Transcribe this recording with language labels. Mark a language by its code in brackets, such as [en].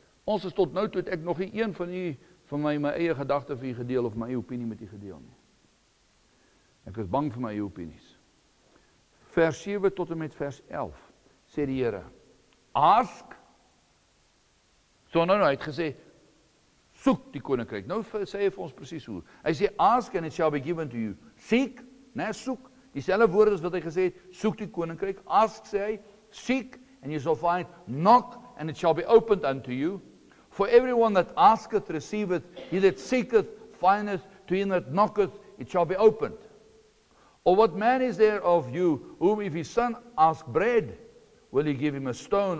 [af] Ons is tot nou toe, het ek nog nie een van u, van my eie gedachte vir u gedeel, of my eie opinie met u gedeel nie. Ek is bang vir my eie opinies. Vers 7 tot en met vers 11, sê die Heere, ask, so nou het gesê, soek die koninkryk. Nou sê hy vir ons precies hoe. Hy sê, [en] ask and it shall be given to you. [af] Seek, nee, soek. Dieselfde woord is wat hy gesê het, soek die koninkryk. [en] Ask, [af] sê hy, [en] seek and you shall find. Knock and it shall be opened unto you. For everyone that asketh, receiveth. He that seeketh, findeth. To him that knocketh, it shall be opened. Or what man is there of you, whom if his son ask bread, will he give him a stone?